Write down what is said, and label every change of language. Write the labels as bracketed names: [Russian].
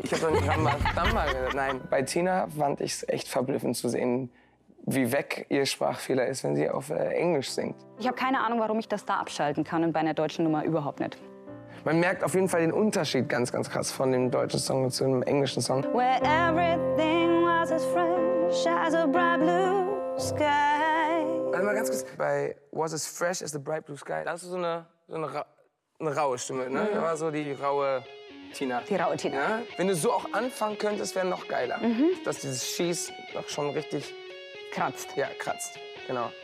[German] ich habe einen Rambazamba. Nein, bei Tina fand ich es echt verblüffend zu sehen, wie weg ihr Sprachfehler ist, wenn sie auf Englisch singt. Ich habe keine Ahnung, warum ich das da abschalten kann und bei einer deutschen Nummer überhaupt nicht. Man merkt auf jeden Fall den Unterschied ganz, ganz krass von dem deutschen Song zu einem englischen Song. [English] Where everything was as fresh as a bright blue sky. [German] Also mal ganz kurz, bei [English] Was as fresh as the bright blue sky, [German] das ist so eine raue Stimme, ne? Mhm. Das war so die raue Tina. Die raue Tina. Ja? Wenn du so auch anfangen könntest, wäre noch geiler. Mhm. Dass dieses Schieß doch schon richtig kratzt. Ja, kratzt, genau.